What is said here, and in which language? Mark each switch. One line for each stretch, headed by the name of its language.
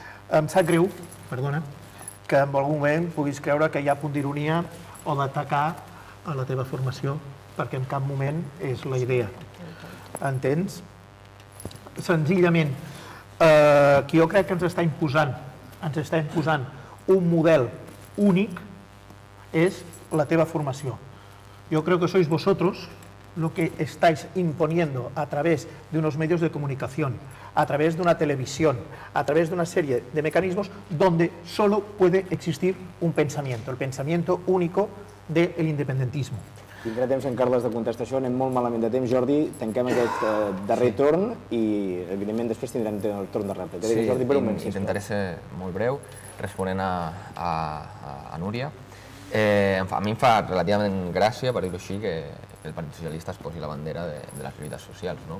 Catalan: Em sap greu, perdona, que en algun moment puguis creure que hi ha punt d'ironia o d'atacar a la teva formació, perquè en cap moment és la idea. Entens? Senzillament, que jo crec que ens està imposant un model únic és la teva formació. Jo crec que
Spanish: sois vosotros lo que estáis imponiendo a través de unos medios de comunicación, a través de una televisión, a través de una serie de mecanismos donde solo puede existir un pensamiento, el pensamiento único del independentismo.
Catalan: Tindrà temps, en Carles, de contestar això. Anem molt malament de temps, Jordi. Tanquem aquest darrer torn i, evidentment, després tindrem el torn de rèplica. Sí, Jordi, intentaré ser molt breu, responent a Núria. A mi em fa relativament gràcia, per dir-ho així, que el Partit Socialista es posi la bandera de les lluites socials, no?